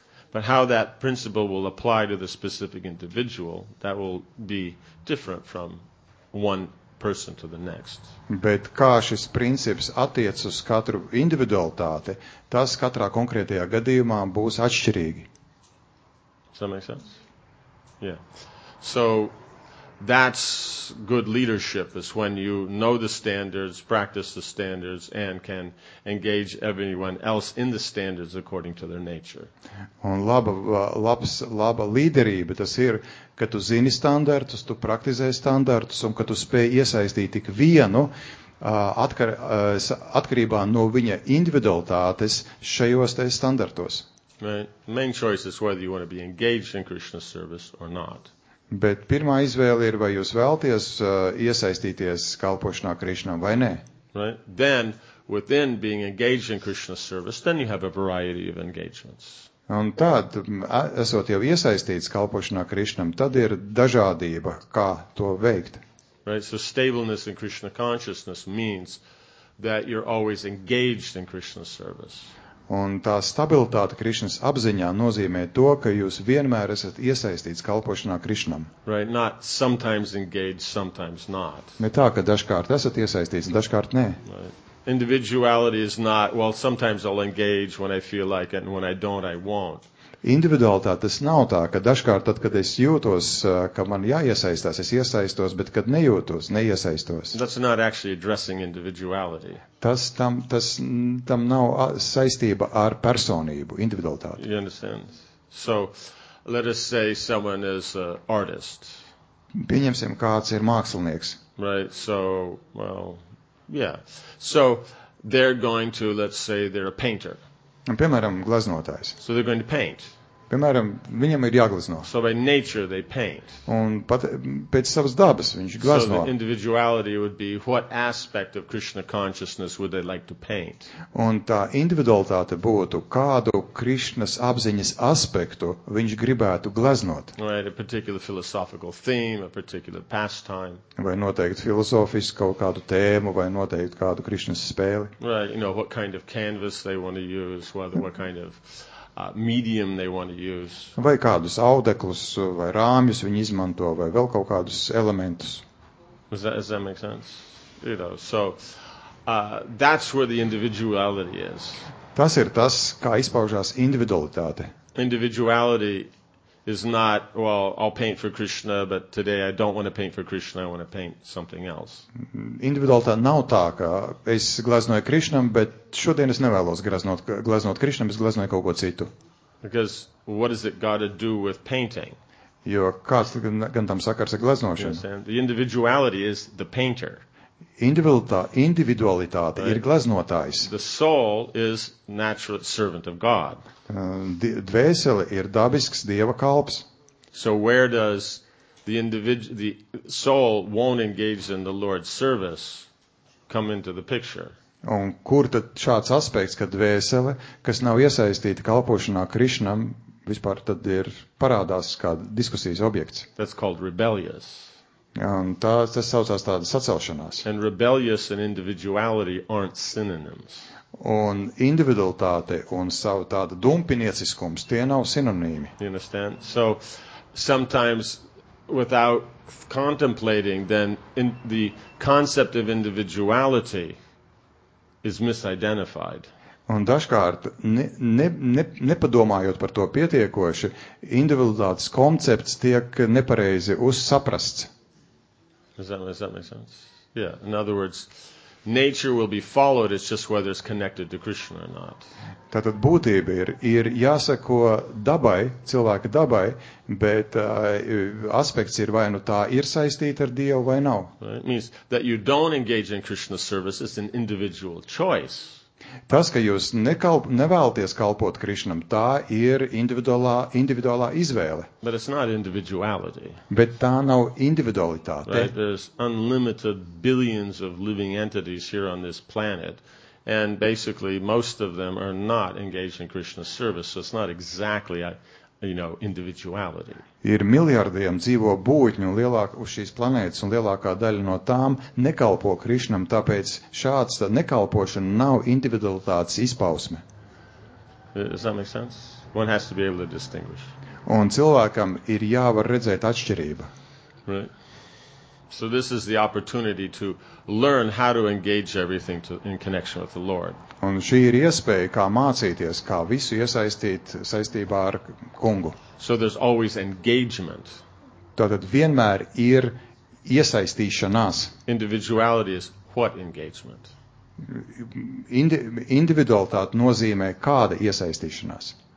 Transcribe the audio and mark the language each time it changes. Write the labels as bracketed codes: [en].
[en] But how that principle will apply to the specific individual, that will be different from one person to the next. [lv] Bet kā šis princips attiec uz katru individualitāti, tas katrā konkrētajā gadījumā būs atšķirīgi. [en] Does that make sense? Yeah. So, that's good leadership, is when you know the standards, practice the standards, and can engage everyone else in the standards according to their nature. [lv] Un laba līderība, tas ir, ka tu zini standartus, tu praktizē standartus, un ka tu spēj iesaistīt tik vienu atkarībā no viņa individualitātes šajos tais standartos. [en] Right. Main choice is whether you want to be engaged in Krishna service or not. [lv] Bet pirmā izvēle ir, vai jūs vēlties iesaistīties kalpošanā Krišnam vai nē. [en] Right. Then, within being engaged in Krishna's service, then you have a variety of engagements. [lv] Un tad, esot jau iesaistīts kalpošanā Krišnam, tad ir dažādība, kā to veikt. [en] Right. So stableness in Krishna consciousness means that you're always engaged in Krishna's service. [lv] Un tā stabilitāte Krišnas apziņā nozīmē to, ka jūs vienmēr esat iesaistīts kalpošanā Krišnam. [en] Right, not sometimes engaged, sometimes not. [lv] Ne tā, ka dažkārt esat iesaistīts, dažkārt nē. [en] Right. Individuality is not, well, sometimes I'll engage when I feel like it, and when I don't, I won't. [lv] Individualitāte tas nav tā, ka dažkārt tad, kad es jūtos, ka man jāiesaistās, es iesaistos, bet kad nejūtos, neiesaistos. [en] That's not actually addressing individuality. [lv] Tam nav saistība ar personību, individualitāti. [en] You understand? So, let us say someone is an artist. [lv] Pieņemsim, kāds ir mākslinieks. [en] Right, so, well, yeah. So, they're going to, let's say, they're a painter. [lv] Un, piemēram, gleznotājs. [en] So they're going to paint. [lv] Piemēram, viņam ir jāglezno. [en] So by nature they paint. [lv] Un pat, pēc savas dabas viņš glezno. [en] So the individuality would be what aspect of Krishna consciousness would they like to paint. [lv] Un tā individualitāte būtu, kādu Krishnas apziņas aspektu viņš gribētu gleznot. [en] Right, a particular philosophical theme, a particular pastime. [lv] Vai noteikt filozofisku kaut kādu tēmu, vai noteikt kādu Krishnas spēli. [en] Right, you know, what kind of canvas they want to use, what kind of... medium they want to use. [lv] Vai kādus audeklus vai rāmjus viņi izmanto vai vēl kaut kādus elementus. [en] Does that make sense? You know, so that's where the individuality is. [lv] Tas ir tas, kā izpaužās individualitāte. [en] Individuality is not, well, I'll paint for Krishna, but today I don't want to paint for Krishna, I want to paint something else. [lv] Individualitāte nav tā, ka es gleznoju Krishnam, bet šodien es nevēlos gleznot Krishnam, es gleznoju kaut ko citu. [en] Because what has it got to do with painting? [lv] Jo kāds gan tam sakars ar gleznošanu? [en] Yes, the individuality is the painter. [lv] Individualitāte ir gleznotājs. [en] The soul is natural servant of God. [lv] Dvēsele ir dabisks Dieva kalps. [en] So where does the soul won't engage in the Lord's service come into the picture? [lv] Un kur tad šāds aspekts, ka dvēsele, kas nav iesaistīta kalpošanā Krišnam, vispār tad ir parādās kā diskusijas objekts? [en] That's called rebellious. [lv] Un tas saucās tāda sacelšanās. [en] And rebellious and individuality aren't synonyms. [lv] Un individualitāte un savu tāda dumpinieciskums, tie nav sinonīmi. [en] You understand? So, sometimes, without contemplating, then the concept of individuality is misidentified. [lv] Un dažkārt, nepadomājot par to pietiekoši, individualitātes koncepts tiek nepareizi uzsaprasts. [en] Does that make sense? Yeah, in other words, nature will be followed, it's just whether it's connected to Krishna or not. [lv] Tātad būtība ir jāsako dabai, cilvēka dabai, bet aspekts ir vai nu tā ir saistīta ar Dievu vai nav. [en] Right? It means that you don't engage in Krishna's service, it's an individual choice. [lv] Tas, ka jūs nevēlaties kalpot Krišnam, tā ir individuālā izvēle. [en] But it's not individuality. [lv] Bet tā nav individualitāte. [en] Right? There's unlimited billions of living entities here on this planet, and basically most of them are not engaged in Krishna's service, so it's not exactly, you know, individuality. [lv] Ir miljardiem dzīvo būtņu lielāk uz šīs planētas un lielākā daļa no tām nekalpo Krišnam, tāpēc šāds nekalpošana nav individualitātes izpausme. [en] Does that make sense? One has to be able to distinguish. [lv] Un cilvēkam ir jāvar redzēt atšķirība. [en] Right. So this is the opportunity to learn how to engage everything in connection with the Lord. [lv] Un šī ir iespēja, kā mācīties, kā visu iesaistīt saistībā ar kungu. [en] So there's always engagement. [lv] Tātad vienmēr ir iesaistīšanās. [en] Individuality is what engagement? [lv] Individualitāte nozīmē kāda iesaistīšanās.